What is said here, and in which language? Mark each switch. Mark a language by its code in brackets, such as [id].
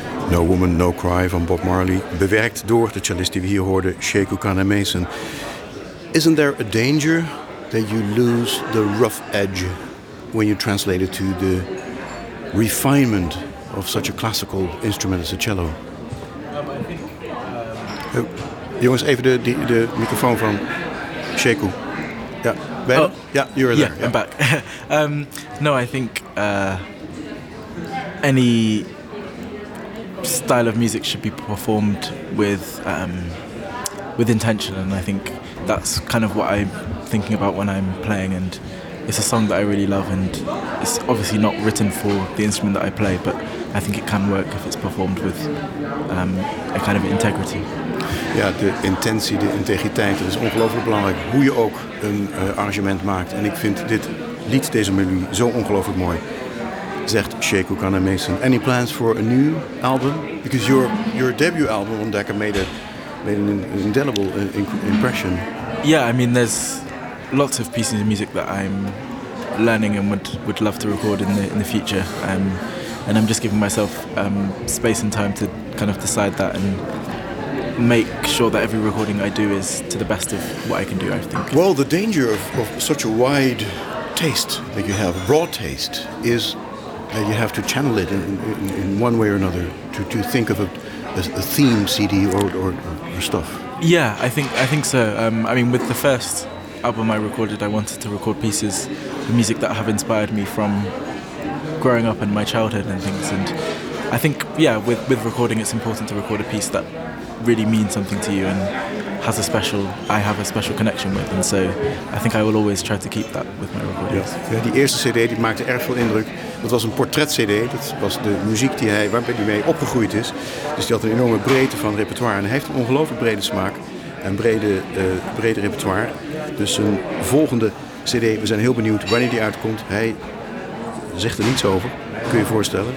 [nl] No Cry van Bob Marley, bewerkt door de cellist die we hier hoorden, Sheku Kanemason. [en] Isn't there a danger that you lose the rough edge when you translate it to the refinement of such a classical instrument as a cello? [nl] Jongens, even de microfoon van Sheku. Ja, Ben? Oh. Ja, [en] you're there. Yeah, I'm back. no, I think any style of music should be performed with intention, and I think that's kind of what I'm thinking about when I'm playing, and it's a song that I really love, and it's obviously not written for the instrument that I play, but I think it can work if it's performed with a kind of integrity. [nl] Ja, de intentie, de integriteit, dat is ongelooflijk belangrijk, hoe je ook een arrangement maakt. En ik vind dit lied, deze melodie, zo ongelooflijk mooi, zegt Sheku Kanamason. [en] Any plans for a new album? Because your debut album on Decca made an indelible impression. Yeah, I mean, there's lots of pieces of music that I'm learning and would love to record in the future. And I'm just giving myself space and time to kind of decide that and make sure that every recording I do is to the best of what I can do, I think. Well, the danger of such a wide taste that you have, raw taste, is that you have to channel it in one way or another to think of a theme CD or stuff. Yeah, I think so. I mean, with the first album I recorded, I wanted to record pieces of music that have inspired me from growing up and my childhood and things. And I think, yeah, with recording, it's important to record a piece that really means something to you and has I have a special connection with. And so I think I will always try to keep that with my recordings. [nl] Ja, die eerste CD die maakte erg veel indruk. Dat was een portret CD. Dat was de muziek waarmee hij mee opgegroeid is. Dus die had een enorme breedte van repertoire. En hij heeft een ongelooflijk brede smaak en brede repertoire. Dus zijn volgende CD, we zijn heel benieuwd wanneer die uitkomt. Hij zegt er niets over, kun je je voorstellen.